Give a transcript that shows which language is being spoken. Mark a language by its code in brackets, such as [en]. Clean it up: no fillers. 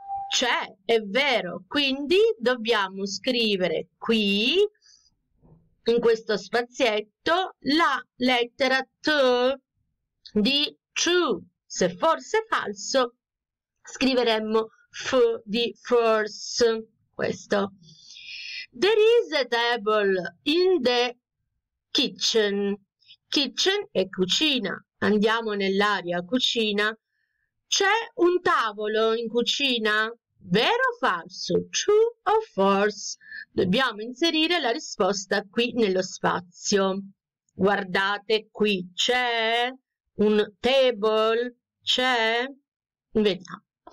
[it] C'è, è vero, quindi dobbiamo scrivere qui, in questo spazietto, la lettera T di true. Se forse falso, scriveremmo F di force. Questo. [en] There is a table in the kitchen. [it] Kitchen è cucina. Andiamo nell'area cucina. C'è un tavolo in cucina? Vero o falso? True o false? Dobbiamo inserire la risposta qui nello spazio. Guardate qui, c'è un table? C'è? Vediamo.